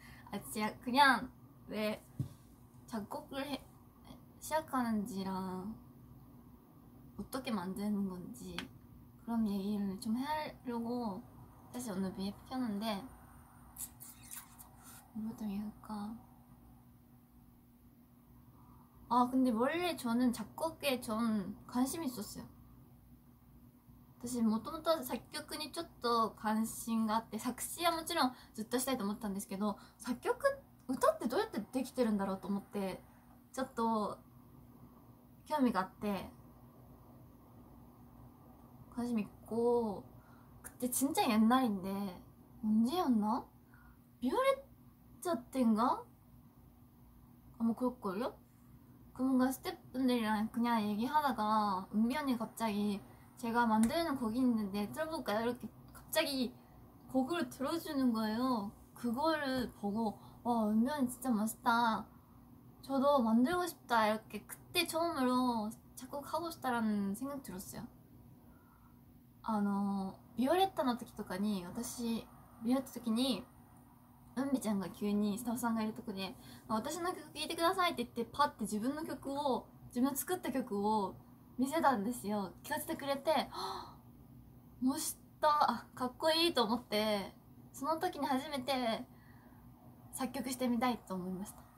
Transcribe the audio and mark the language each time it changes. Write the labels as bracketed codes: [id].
[ko] 아, 진짜 그냥 왜 작곡을 시작하는지랑 어떻게 만드는 건지 그런 얘기를 좀 하려고 사실 오늘 미리 켰는데 뭘좀 해볼까? 아 근데 원래 저는 작곡에 좀 관심이 있었어요. 사실 뭐좀더 작곡은 좀더 관심 [ja] があって [ko] 작시야 물론 [ja] ずっと [ko] 했어야 했던 것 같은데 작곡 [ja] 歌ってどうやってできてるんだろうと思ってちょっと興味があって [ko] 관심 있고 그때 진짜 옛날인데 언제였나? 뮤레자 때인가? 아마 그럴걸요? 그분과 스태프분들이랑 그냥 얘기하다가 은비언니 갑자기 제가 만드는 곡이 있는데 들어볼까요? 이렇게 갑자기 곡을 들어주는 거예요. 그거를 보고 와 은비언니 진짜 멋있다 저도 만들고 싶다 이렇게 그때 처음으로 작곡하고 싶다라는 생각 들었어요. [ja] ビオレッタの時とかに、私、見合った時に、うんびちゃんが急にスタッフさんがいるとこで、私の曲聴いてくださいって言って、パッて自分の曲を、自分の作った曲を見せたんですよ。聴かせてくれて、もしたかっこいいと思って、その時に初めて作曲してみたいと思いました。